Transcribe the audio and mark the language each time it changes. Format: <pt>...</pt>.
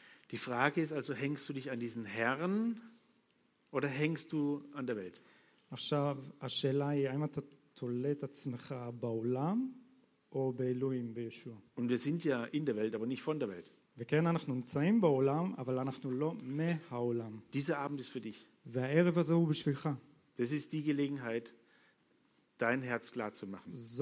<de>Die Frage ist also, hängst du dich an diesen Herrn oder hängst du an der Welt?</de> <he>עכשיו, השאלה היא, האם אתה תולה את עצמך בעולם?</he> <de>Und wir sind ja in der Welt, aber nicht von der Welt. Dieser Abend ist für dich. Das ist die Gelegenheit, dein Herz klar zu machen.</de>